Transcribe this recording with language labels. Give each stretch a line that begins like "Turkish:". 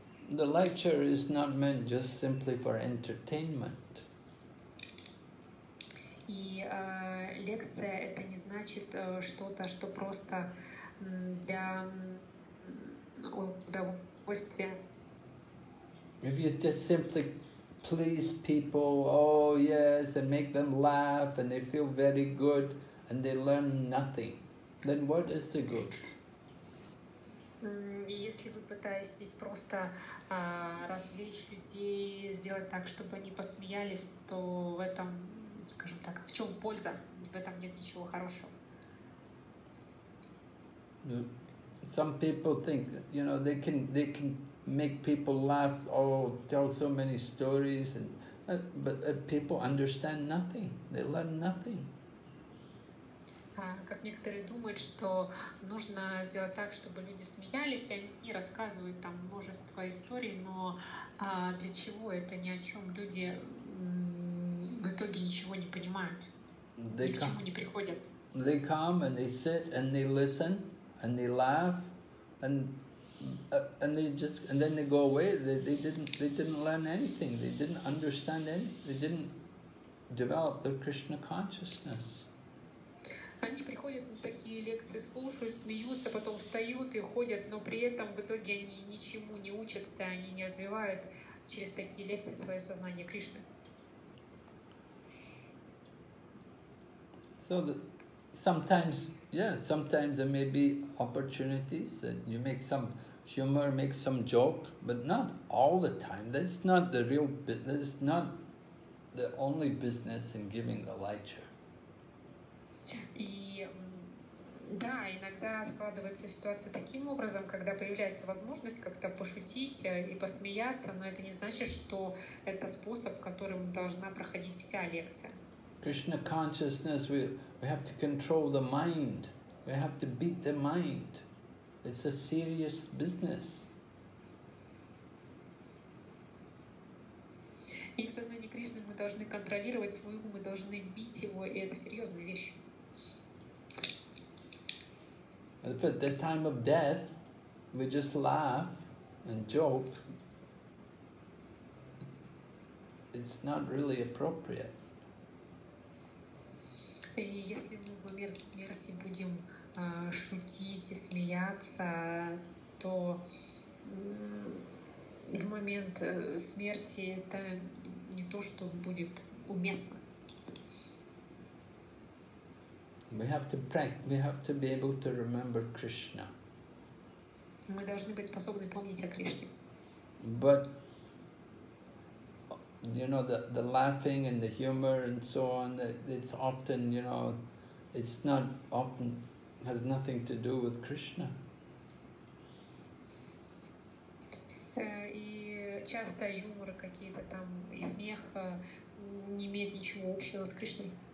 English: The lecture is not meant just simply for entertainment.
Russian: И лекция это не значит что-то, что просто для удовольствия.
English: If you just simply please people, oh yes, and make them laugh, and they feel very good, and they learn nothing, then what is the good?
Russian: Если вы пытаетесь просто развлечь людей, сделать так, чтобы они посмеялись, то в этом, скажем так, в чем польза? В этом нет ничего хорошего.
English: Some people think, you know, they can make people laugh, or tell so many stories, but people understand nothing. They learn nothing.
Russian: Как некоторые думают, что нужно сделать так, чтобы люди смеялись, они рассказывают там множество историй, но для чего это, ни о чем люди в итоге ничего не понимают, ни к чему не приходят.
English: They come and they sit and they listen and they laugh and then they go away. They didn't learn anything. They didn't understand anything. They didn't develop their Krishna consciousness.
Russian: Они приходят на такие лекции, слушают, смеются, потом встают и ходят, но при этом в итоге они ничему не учатся, они не развивают через такие лекции свое сознание Кришны.
English: So the, sometimes, yeah, sometimes there may be opportunities that you make some humor, make some joke, but not all the time. That's not the real business. That's not the only business in giving the lecture.
Russian: И да, иногда складывается ситуация таким образом, когда появляется возможность как-то пошутить и посмеяться, но это не значит, что это способ, которым должна проходить вся лекция.
English: Krishna consciousness, we have to control the mind. We have to beat the mind. It's a serious business.
Russian: И в сознании Кришны мы должны контролировать свой ум, мы должны бить его, и это серьезная вещь.
English: If at the time of death we just laugh and joke, it's not really appropriate.
Russian: И если мы в момент смерти будем шутить и смеяться, то в момент смерти это не то, что будет уместно.
English: We have to practice. We have to be able to remember Krishna.
Russian: Мы должны быть способны помнить о Кришне.
English: But you know the laughing and the humor and so on. It's often, you know, it's not often has nothing to do with Krishna.
Russian: И часто юмор какие-то там и смех не имеет ничего общего с Кришной.